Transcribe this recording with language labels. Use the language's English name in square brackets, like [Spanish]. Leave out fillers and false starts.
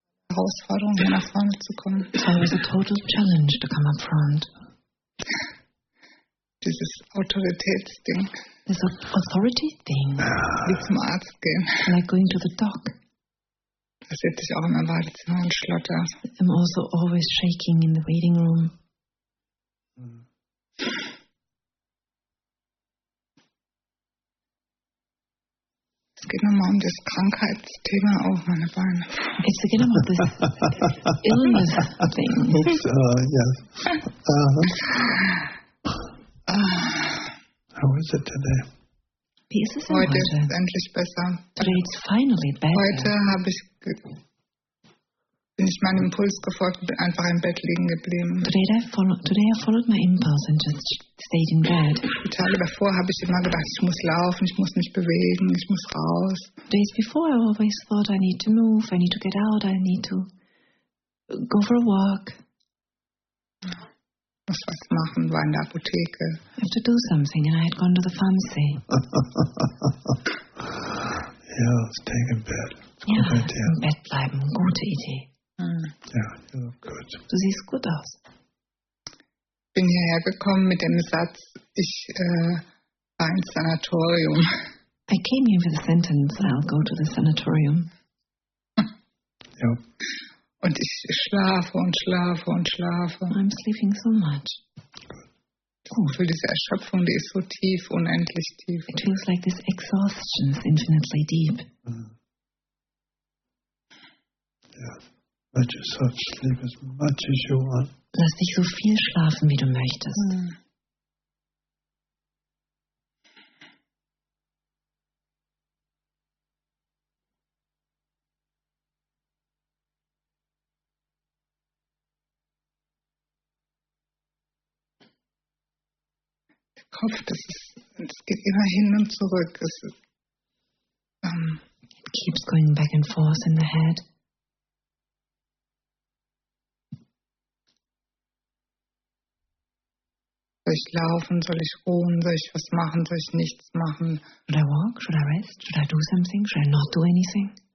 [German] Herausforderung, hier nach vorne zu kommen. [English] It was a total challenge to come up front. [German] Dieses Autoritätsding. [English] This authority thing. [German] Wie zum Arzt gehen. [English] Like going to the doc. [German] Da sitze ich auch immer im Badezimmer und schlotter. [English] I'm also always shaking in the waiting room. [German] Es geht nochmal um das Krankheitsthema auf meine Beine. [English] It's again about this illness thing. Oops, yes. How is it today? [German] Wie ist es denn heute? Heute ist endlich besser. [English] Today it's finally better. [German] Heute bin ich meinem Impuls gefolgt und bin einfach im Bett liegen geblieben. [English] Today I followed my impulse and just stayed in bed. [German] Die Tage davor habe ich immer gedacht, ich muss laufen, ich muss mich bewegen, ich muss raus. [English] Days before I always thought I need to move, I need to get out, I need to go for a walk. [German] Muss was machen, war in der Apotheke. [English] I have to do something and I had gone to the pharmacy. Yeah, stay in bed. [German] Ja, im Bett bleiben, gute Idee. Ja, [English] yeah, you look good. [German] Du siehst gut aus. Bin hierher gekommen mit dem Satz, ich war ins Sanatorium. [English] I came here with a sentence, I'll go to the sanatorium. [German] Ja. Und ich schlafe und schlafe und schlafe. [English] I'm sleeping so much. [German] Gut. Ich fühle diese Erschöpfung, die ist so tief, unendlich tief. [English] It feels like this exhaustion is infinitely deep. Ja. Yeah. Let yourself sleep as much as you want. [German] Lass dich so viel schlafen, wie du möchtest. Mm. Kopf, das ist, es geht immer hin und zurück. Das ist, [English] It keeps going back and forth in the head. [German] Soll ich laufen? Soll ich ruhen? Soll ich was machen? Soll ich nichts machen? [English] Should I walk? Should I rest? Should I do something? Should I not do anything?